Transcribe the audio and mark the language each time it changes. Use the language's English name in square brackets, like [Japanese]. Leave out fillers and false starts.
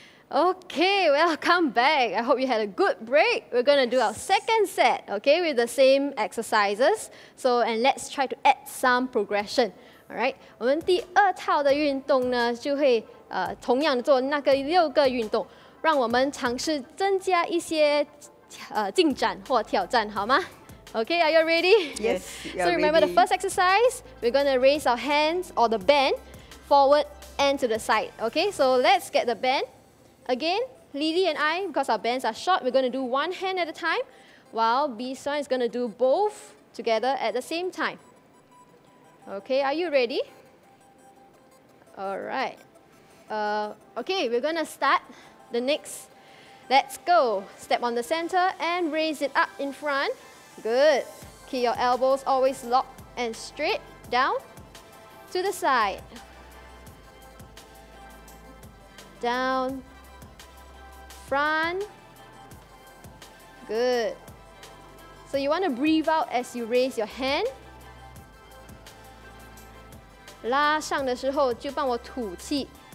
[English] Okay, welcome back. I hope you had a good break. We're going to do our second set, okay, with the same exercises. So, and let's try to add some progression, all right? [Chinese] 我们第二套的运动呢,就会同样的做那个六个运动,让我们尝试增加一些进展或挑战,好吗? [English] Okay, are you ready? Yes, so remember ready. The first exercise, we're going to raise our hands or the band forward and to the side, okay? So let's get the band. Again, Lily and I, because our bands are short, we're going to do one hand at a time, while Bisan is going to do both together at the same time. Okay, are you ready? All right. Okay, we're going to start the next. Let's go. Step on the center and raise it up in front. Good. Keep your elbows always locked and straight down to the side. Down. Front. Good. So you want to breathe out as you raise your hand. [Chinese] 拉上的时候就帮我吐气.